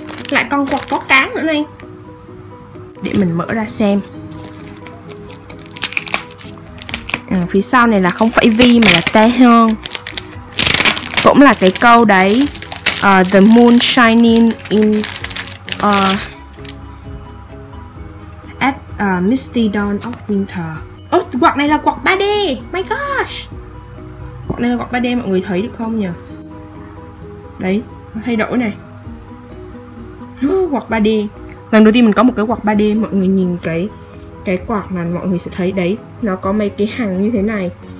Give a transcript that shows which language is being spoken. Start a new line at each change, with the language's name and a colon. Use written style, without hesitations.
Vietnamese: Lại con quạt có cán nữa này. Để mình mở ra xem. Phía sau này là không phải V mà là Taehyung. Cũng là cái câu đấy.
English: The moon shining in at misty dawn of winter.
Vietnamese: Oh, quạt này là quạt 3D.
English: My gosh.
Vietnamese: Quạt này là quạt 3D, mọi người thấy được không nhỉ? Đấy, nó thay đổi này. Quạt 3D. Lần đầu tiên mình có một cái quạt 3D. Mọi người nhìn cái quạt mà mọi người sẽ thấy đấy. Nó có mấy cái hàng như thế này.